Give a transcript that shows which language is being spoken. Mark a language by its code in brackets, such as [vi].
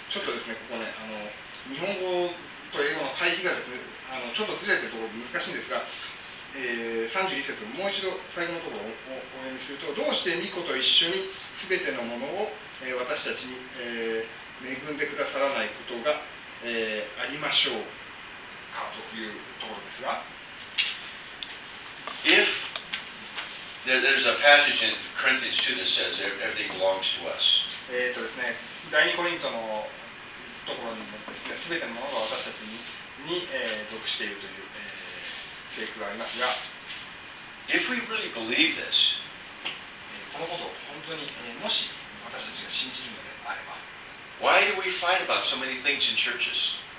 [ja] ちょっとですね、ここね、日本語と英語の対比がですね、ちょっとずれてるところ難しいんですが、32節、もう一度最後のところをお読みすると、どうして御子と一緒に全てのものを、私たちに、恵んでくださらないことが、ありましょうかというところですが、 [en] If there's a passage in Corinthians 2 that says everything belongs to us. [ja] ですね、第2コリントのところにもですね、すべてのものが私たちに、属しているという、聖句がありますが、 [en] If we really believe this, [ja] このことを本当に、もし私たちが信じるのであれば、 [en] Why do we fight about so many things in churches?